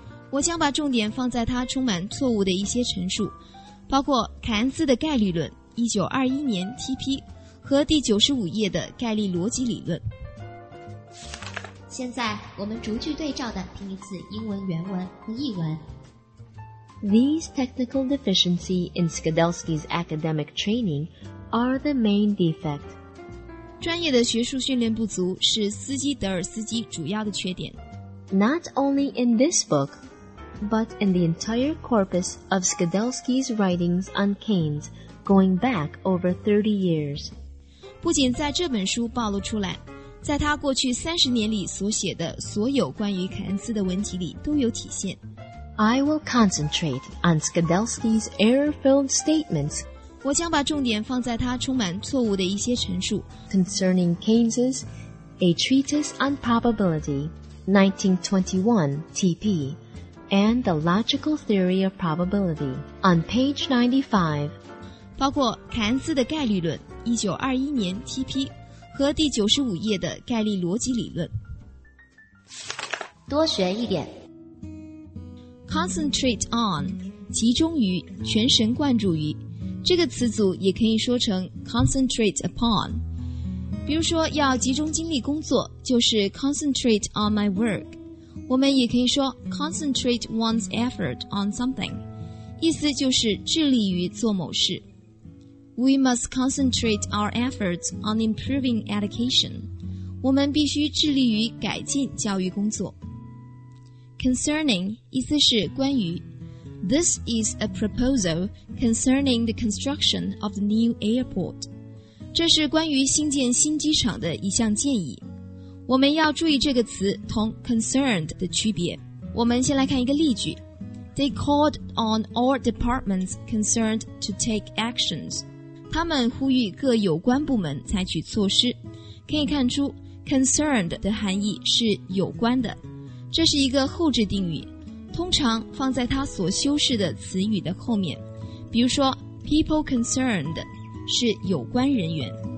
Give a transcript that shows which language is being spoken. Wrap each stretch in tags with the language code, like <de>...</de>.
<zh>我将把重点放在他充满错误的一些陈述，包括凯恩斯的概率论1921年 TP 和第95页的概率逻辑理论。现在我们逐句对照的听一次英文原文和译文。</zh> <en>These technical deficiencies in Skidelsky's academic trainingare the main defect.</en> <zh>专业的学术训练不足是斯基德尔斯基主要的缺点。</zh> <en>Not only in this book, but in the entire corpus of Skidelsky's writings on Keynes going back over 30 years.</en> <zh>不仅在这本书暴露出来，在他过去30年里所写的所有关于凯恩斯的文集里都有体现。</zh> <en>I will concentrate on Skidelsky's error-filled statements.</en> <zh>我将把重点放在他充满错误的一些陈述。</zh> <en>Concerning Keynes's A Treatise on Probability, 1921 TP, and The Logical Theory of Probability, on page 95.</en> <zh>包括凯恩斯的概率论1921年 TP 和第95页的概率逻辑理论。多学一点。 Concentrate on, 集中于，全神贯注于。这个词组也可以说成 concentrate upon， 比如说要集中精力工作就是</zh> <en>concentrate on my work，</en> <zh>我们也可以说</zh> <en>concentrate one's effort on something，</en> <zh>意思就是致力于做某事。</zh> <en>We must concentrate our efforts on improving education，</en> <zh>我们必须致力于改进教育工作。 Concerning 意思是关于。</zh> <en>This is a proposal concerning the construction of the new airport.</en> <zh>这是关于新建新机场的一项建议。我们要注意这个词同 concerned 的区别。我们先来看一个例句。</zh> <en>They called on all departments concerned to take actions.</en> <zh>他们呼吁各有关部门采取措施。可以看出 concerned 的含义是有关的。这是一个后置定语。通常放在他所修饰的词语的后面，比如说 people concerned 是有关人员。</zh>